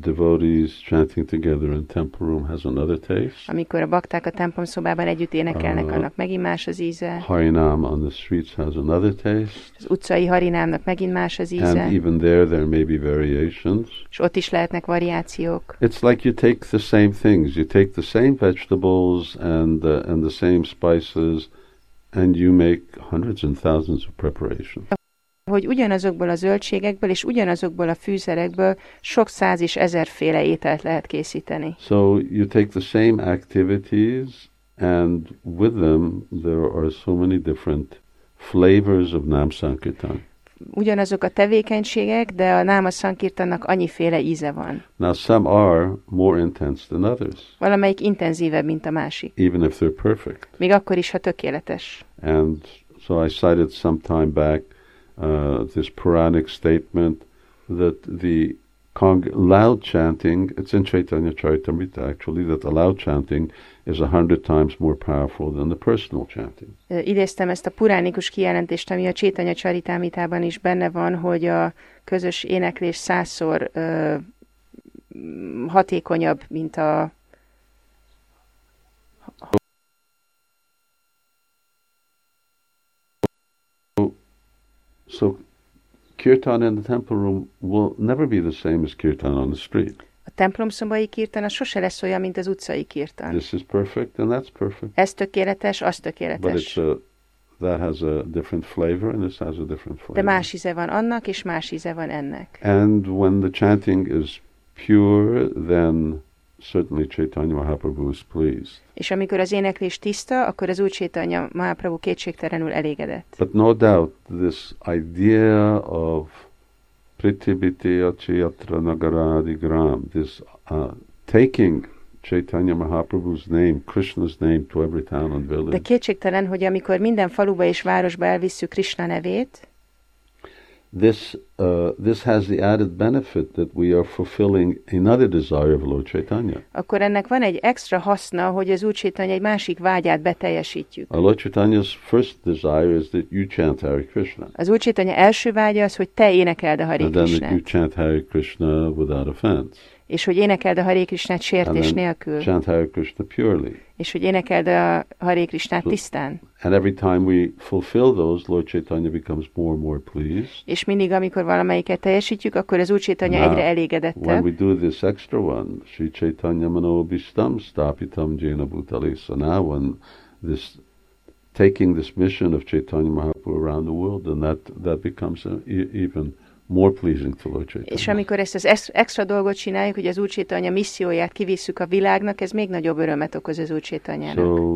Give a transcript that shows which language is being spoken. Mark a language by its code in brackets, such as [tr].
[en] Devotees chanting together in temple room has another taste. [hu] Amikor a bakták a templomszobában együtt énekelnek, annak megint más az íze. [en] Harinam on the streets has another taste. [hu] Az utcai harinámnak megint más az íze. [en] And even there may be variations. [hu] És ott is lehetnek variációk. [en] It's like you take the same things, you take the same vegetables and the same spices, and you make hundreds and thousands of preparations. [hu] Hogy ugyanazokból a zöldségekből és ugyanazokból a fűszerekből sok száz és ezerféle ételt lehet készíteni. [en] So you take the same activities and with them there are so many different flavors of Nama Sankirtan. [hu] Ugyanazok a tevékenységek, de a Nama Sankirtannak annyiféle íze van. [en] Now some are more intense than others. [hu] Valamelyik intenzívebb, mint a másik. [en] Even if they're perfect. [hu] Még akkor is, ha tökéletes. [en] And so I cited some time back this Puranic statement that the loud chanting, it's in Chaitanya Charitamrita actually, that the loud chanting is 100 times more powerful than the personal chanting. [hu] Idéztem ezt a puránikus kijelentést, ami a Chaitanya Charitamritában is benne van, hogy a közös éneklés százszor hatékonyabb, mint a [en] So kirtan in the temple room will never be the same as kirtan on the street. [hu] A templomszobai kirtan sose lesz olyan, mint az utcai kirtan. [en] This is perfect and that's perfect. [hu] Ez tökéletes, az tökéletes. [en] But that has a different flavor and this has a different flavor. [hu] De más íze van annak és más íze van ennek. [en] And when the chanting is pure, then certainly Chaitanya Mahaprabhu is pleased. [hu] És amikor az éneklés tiszta, akkor az Úr Chaitanya Mahaprabhu kétségtelenül elégedett. [en] But no doubt this idea of [sa] prithibiti achyatra nagaradi gram, [en] this taking Chaitanya Mahaprabhu's name, Krishna's name to every town and village. [hu] De kétségtelen, hogy amikor minden faluba és városba elvisszük Krishna nevét, [en] This has the added benefit that we are fulfilling another desire of Lord Chaitanya. [hu] Akkor ennek van egy extra haszna, hogy az Úr Chaitanya egy másik vágyát beteljesítjük. [en] Lord Chaitanya's first desire is that you chant Hare Krishna. [hu] Az Úr Chaitanya első vágya az, hogy te énekeld a Hare Krishnát. [en] And then that you chant Hare Krishna without offense. [hu] És hogy énekeld a Hare Krishnát sértés nélkül. [en] Chant Hare Krishna purely. [hu] És hogy énekeld a Hare Krishnát tisztán. [en] And every time we fulfill those, Lord Chaitanya becomes more and more pleased. [hu] És mindig, amikor valamelyiket teljesítjük, akkor az Úr Chaitanya egyre elégedettebb. [en] When we do this extra one, [sa] Sri Chaitanya Mano Bhishtam Stapitam Jena Bhutale. [en] So now when this, taking this mission of Chaitanya Mahaprabhu around the world, then that becomes even more pleasing to Lord Chaitanya. [hu] És amikor ezt az extra dolgot csináljuk, hogy az Úr Chaitanya misszióját kivisszük a világnak, ez még nagyobb örömet okoz az Úr Chaitanyának.